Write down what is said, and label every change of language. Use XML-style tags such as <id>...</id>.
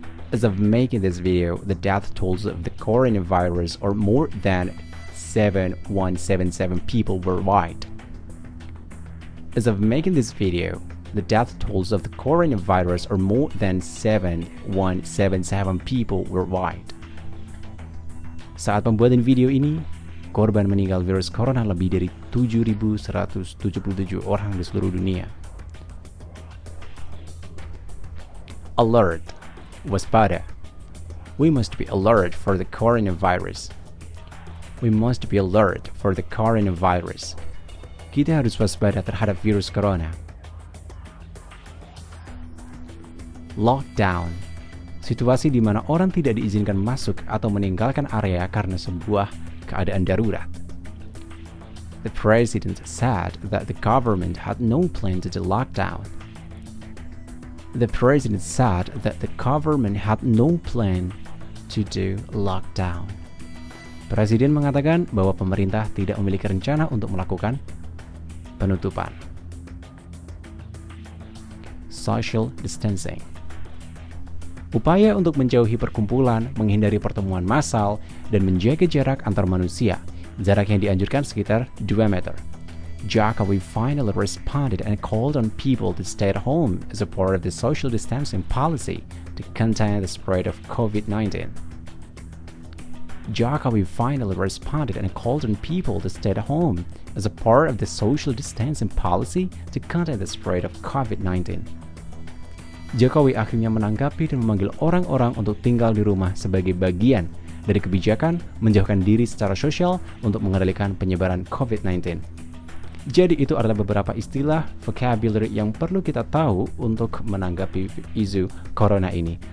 <en>As of making this video, the death tolls of the coronavirus are more than 7177 people worldwide. As of making this video, the death tolls of the coronavirus are more than 7177 people worldwide.</en> <id>Saat pembuatan video ini, korban meninggal virus corona lebih dari 7177 orang di seluruh dunia.</id> <en>Alert, waspada. We must be alert for the coronavirus. We must be alert for the coronavirus.</en> <id>Kita harus waspada terhadap virus corona.</id> <en>Lockdown.</en> <id>Situasi di mana orang tidak diizinkan masuk atau meninggalkan area karena sebuah keadaan darurat.</id> <en>The president said that the government had no plan to do lockdown. The president said that the government had no plan to do lockdown.</en> <id>Presiden mengatakan bahwa pemerintah tidak memiliki rencana untuk melakukan penutupan. Social distancing. Upaya untuk menjauhi perkumpulan, menghindari pertemuan massal, dan menjaga jarak antar manusia. Jarak yang dianjurkan sekitar 2 meter.</id> <en>Jokowi finally responded and called on people to stay at home as a part of the social distancing policy to contain the spread of COVID-19. Jokowi finally responded and called on people to stay at home as a part of the social distancing policy to contain the spread of COVID-19.</en> <id>Jokowi akhirnya menanggapi dan memanggil orang-orang untuk tinggal di rumah sebagai bagian dari kebijakan menjauhkan diri secara sosial untuk mengendalikan penyebaran COVID-19. Jadi itu adalah beberapa istilah vocabulary yang perlu kita tahu untuk menanggapi isu corona ini.</id>